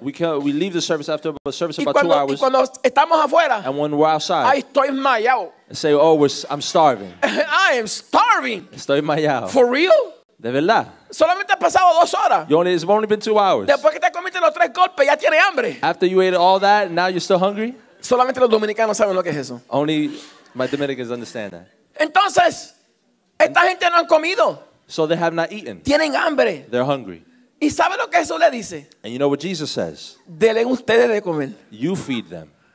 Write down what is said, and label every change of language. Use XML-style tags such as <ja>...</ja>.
<en>We leave the service after a service</en> <es>y</es> <en>about</en> <es>cuando,</es> <en>2 hours.</en> <es>Y cuando estamos afuera.</es> <en>And when we're outside.</en> <es>Ay, estoy mayao.</es> <en>Say, oh, I'm starving. I am starving.</en> <es>Estoy mayao.</es> <en>For real?</en> <es>De verdad. Solamente ha pasado dos horas.</es> <en>It's only been 2 hours.</en> <es>Después que te comiste los tres golpes, ya tienes hambre.</es> <en>After you ate all that, now you're still hungry?</en> <es>Solamente los dominicanos saben lo que es eso.</es> <en>Only my Dominicans understand that.</en> <es>Entonces, esta gente no han comido.</es> <en>So they have not eaten.</en> <es>Tienen hambre.</es> <en>They're hungry.</en> <es>¿Y sabe lo que Jesús le dice?</es> <en>And you know what Jesus says?</en> <es>Delen ustedes de comer.</es> <en>You feed them.</en>